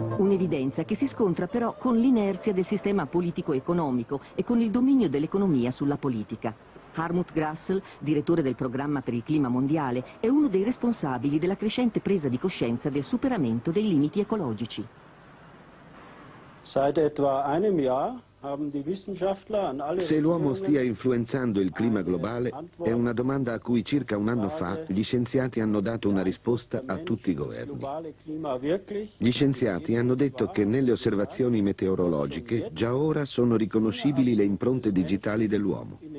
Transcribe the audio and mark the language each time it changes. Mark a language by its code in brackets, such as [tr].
[it] in evidenza che si scontra però con l'inerzia del sistema politico-economico e con il dominio dell'economia sulla politica. Harmut Grassel, direttore del programma per il clima mondiale, è uno dei responsabili della crescente presa di coscienza del superamento dei limiti ecologici. [de] Seit etwa einem Jahr haben die Wissenschaftler an alle. [it] Se l'uomo stia influenzando il clima globale, è una domanda a cui circa un anno fa gli scienziati hanno dato una risposta a tutti i governi. Gli scienziati hanno detto che nelle osservazioni meteorologiche già ora sono riconoscibili le impronte digitali dell'uomo.